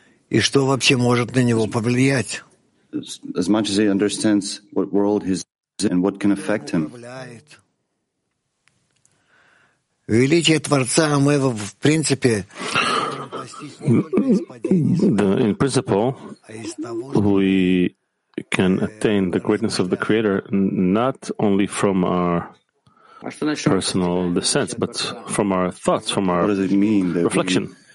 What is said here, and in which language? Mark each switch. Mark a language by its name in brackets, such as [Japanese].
[Russian] И что вообще может на него повлиять? [English] As much as he understands what world he's in, what can affect him. [Russian] Величие Творца мы в принципе... [English] In principle, we can attain the greatness of the Creator not only from our personal descent, but from our thoughts, from our reflection.